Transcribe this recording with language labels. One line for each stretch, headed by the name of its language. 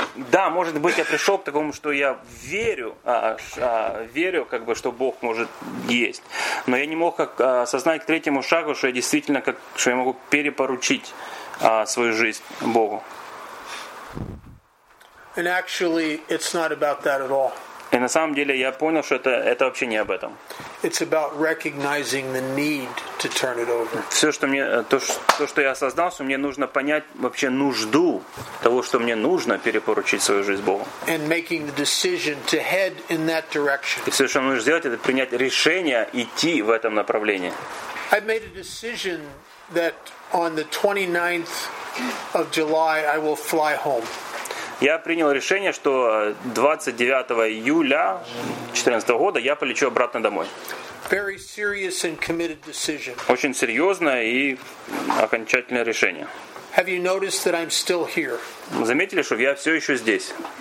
Russian: Да, может быть, я пришел к такому, что я верю, верю, как бы, что Бог может есть. Но я не мог осознать к третьему шагу, что я действительно, как, что я могу перепоручить свою жизнь Богу.
English: And actually, it's not about that at all.
Russian: И на самом деле я понял, что это вообще не об этом.
English: It's about recognizing the need to turn it over.
Russian: Все, что мне, то, что я осознал, что мне нужно понять вообще нужду того, что мне нужно перепоручить свою жизнь Богу.
English: And making the decision to head in that direction.
Russian: И все, что мне нужно сделать, это принять решение идти в этом направлении.
English: I made a decision that on the 29th of July I will fly home.
Russian: Я принял решение, что 29 июля 2014 года я полечу обратно домой.
English: Very serious and committed decision.
Russian: Очень серьезное и окончательное решение.
English: Have you noticed that I'm still here?
Russian: Заметили, что я все еще здесь?